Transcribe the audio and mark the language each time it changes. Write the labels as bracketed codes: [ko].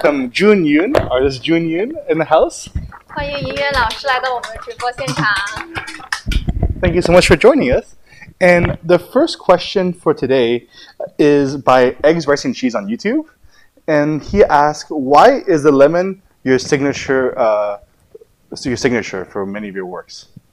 [en] Jun Yun, artist Jun Yun, in the house. [zh] 欢迎云远老师来到我们的直播现场。 [en] Thank you so much for joining us. And the first question for today is by Eggs, Rice, and Cheese on YouTube. And he asked, why is the lemon your signature for many of your works?